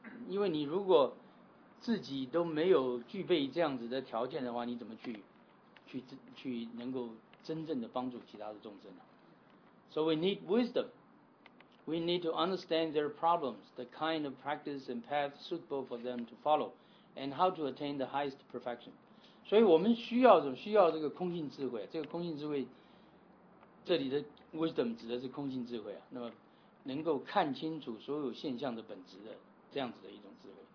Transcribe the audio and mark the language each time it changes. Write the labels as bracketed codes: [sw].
[zh] 因为你如果自己都没有具备这样子的条件的话，你怎么去能够真正的帮助其他的众生呢？ [en] So we need wisdom. We need to understand their problems, the kind of practice and path suitable for them to follow, and how to attain the highest perfection. [zh] 所以我们需要什么？需要这个空性智慧。这个空性智慧，这里的 wisdom 指的是空性智慧啊。那么能够看清楚所有现象的本质的这样子的一种智慧。